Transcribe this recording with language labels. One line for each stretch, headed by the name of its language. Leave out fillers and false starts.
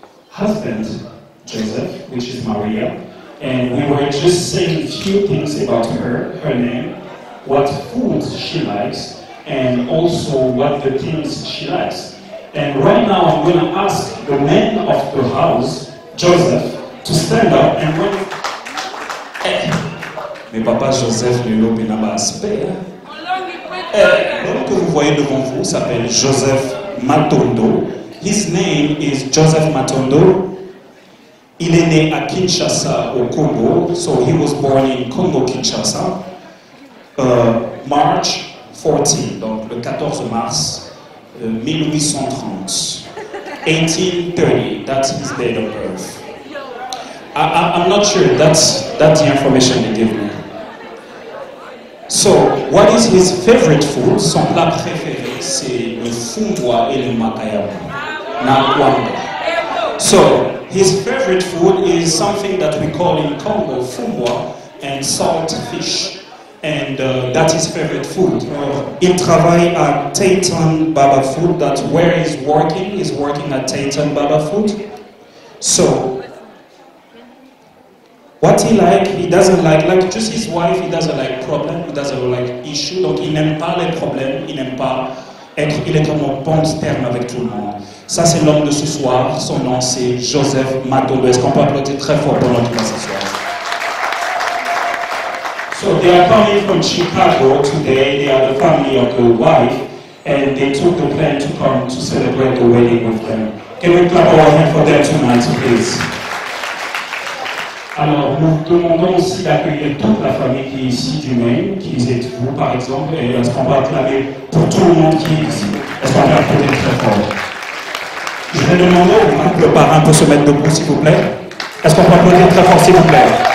English: Husband Joseph, which is Maria, and we were just saying a few things about her, her name, what food she likes, and also what the things she likes. And right now I'm going to ask the man of the house, Joseph, to stand up and when...
French: Mais papa Joseph Lulo Binaba Aspère. L'homme que vous voyez devant vous s'appelle Joseph Matondo.
English: His name is Joseph Matondo.
French: Il est né à Kinshasa, au Congo.
English: So he was born in Congo, Kinshasa. March 14,
French: donc le 14 mars 1830.
English: 1830, that's his date of birth. I'm not sure that's the information they gave me. So, what is his favorite food?
French: Son plat préféré, c'est le fumwa et le makayabu.
Lingala: Na kwanga.
English: So, his favorite food is something that we call in Congo fumwa and salt fish. And that is favorite food.
French: Il travaille à
English: Tayton Baba Food. That's where he's working. He's working at Tayton Baba Food. So, what he like, he doesn't like just his wife, he doesn't like problems, he doesn't like issues.
French: Donc il n'aime pas les problèmes, il n'aime pas être, il est en bon terme avec tout le monde. Ça c'est l'homme de ce soir, son nom c'est Joseph Matondo. Est-ce qu'on peut applaudir très fort pour l'homme de ce soir?
English: So they are coming from Chicago today, they are the family of the wife, and they took the plan to come to celebrate the wedding with them. Can we clap our hands for them tonight, please?
French: Alors, nous demandons aussi d'accueillir toute la famille qui est ici du Maine, qui est vous par exemple, et est-ce qu'on va acclamer pour tout le monde qui est ici? Est-ce qu'on va acclamer très fort? Je vais demander au maître, le parrain peut se mettre debout s'il vous plaît. Est-ce qu'on va acclamer très fort s'il vous plaît?